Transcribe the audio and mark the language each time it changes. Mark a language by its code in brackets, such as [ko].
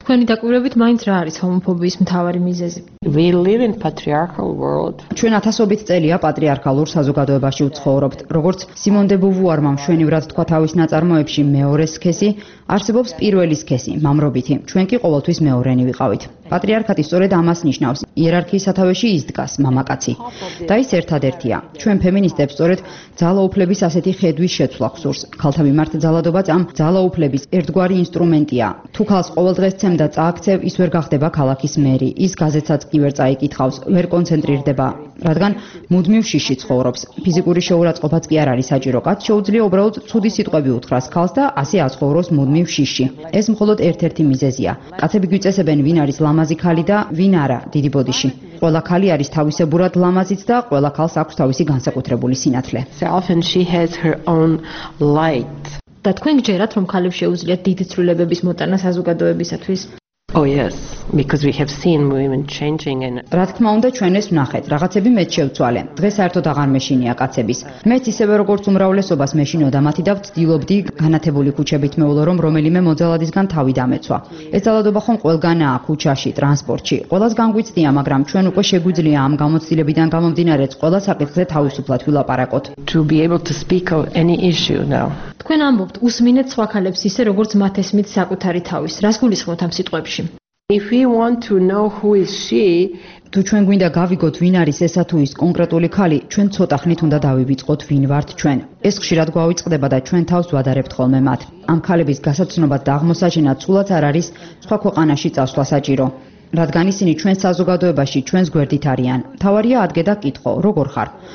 [ka] ქვენი დაკვირვებით, მაინც რა არის ჰომოფობიის მთავარი მიზეზი? [en] We live in patriarchal world. [ka] ჩვენ ათასობით წელია პატრიარქალურ საზოგადოებაში ვცხოვრობთ. როგორც სიმონ დე ბუვუარმა მშვენივრად თქვა თავის ნაწარმოებში, მეორე სქესი არსებობს პირველი სქესი, მამრობითი. ჩვენ კი ყოველთვის მეორენი ვიყავით. პატრიარქატი სწორედ ამას ნიშნავს. იერარქიის სათავეში ისდგას მამაკაცი. და ის ერთადერთია. ჩვენ ფემინისტებს სწორედ ძალაუფლების ასეთი ხედვის შეცვლა ხსურს. ქალთა მიმართ ძალადობაც ამ ძალაუფლების ერთგვარი ინსტრუმენტია. თუ ქალს ყოველდღე სცემდა წააქცევ, ის ვერ გახდება ქალაქის მერი. ის გაზეთსაც კი ვერ წაიკითხავს, ვერ კონცენტრირდება, რადგან მუდმივ შიში ცხოვრობს. ფიზიკური შეურაცხყოფაც კი არ არის საჭირო. კაცს შეუძლია უბრალოდ ცუდი სიტყვები უთხრას ქალს და ასე აცხოვროს მუდმივ შიში. ეს მხოლოდ ერთ-ერთი მიზეზია. კაცები გვიწესებენ, ვინ არის ლამაზი ქალი და ვინ არა დიდი ბოდიში. ყველა ქალი არის თავისებურად ლამაზიც და ყველა ქალს აქვს თავისი განსაკუთრებული სინათლე. და თქვენ გჯერათ, რომ ქალებს შეუძლიათ დიდი ცვლილებების მოტანა საზოგადოებისათვის? [en] Oh yes, because we have seen women changing and [ka] რა თქმა უნდა, ჩვენ ეს ვნახეთ. რაღაცები მეც შევცვალე. დღეს საერთოდ აღარ მეშინია კაცების. მეც ისევე როგორც უმრავლესობას მეშინოდა მათი და ვცდილობდი განათებული ქუჩებით მეულო, რომ რომელიმე მოძალადისგან თავი დამეცვა. ეს ძალადობა ხომ ყველგანაა, ქუჩაში, ტრანსპორტში. ყველას განგვიცდია, მაგრამ ჩვენ უკვე შეგვიძლია ამ გამოცდილებიდან გამომდინარეც ყველა საკითხზე თავისუფლად ვილაპარაკოთ. [en] To be able to speak of any issue now. [ka] თქვენ ამბობთ, უსმინეთ სხვა ქალებს ისე, როგორც მათ ესმით საკუთარი თავის. რას გულისხმობთ ამ სიტყვებში? [en] If we want to know who is she, [ka] თუ ჩვენ გვინდა გავიგოთ, ვინ არის ესა თუ ის კონკრეტული ქალი, ჩვენ ცოტა ხნით უნდა დავივიწყოთ, ვინ ვართ ჩვენ. ეს ხშირად გვავიწყდება და ჩვენ თავს ვადარებთ ხოლმე მათ. ამ ქალების გასაცნობად და აღმოსაჩენად სულაც არ არის სხვა ქვეყანაში წასვლა საჭირო. რადგან ისინი ჩვენ საზოგადოებაში ჩვენს გვერდით არიან, მთავარია ადგე და კითხო, როგორ ხარ.